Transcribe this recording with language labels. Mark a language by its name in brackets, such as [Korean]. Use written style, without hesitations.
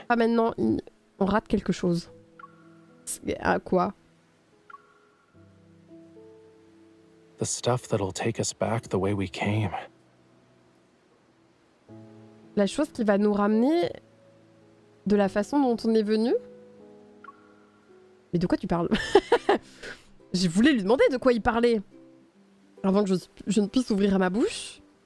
[French] Ah maintenant, on rate quelque chose. À quoi? [English] The stuff that'll take us back the way we came. [French] La chose qui va nous ramener de la façon dont on est venu. Mais de quoi tu parles? Je voulais lui demander de quoi il parlait avant que je ne puisse ouvrir ma bouche.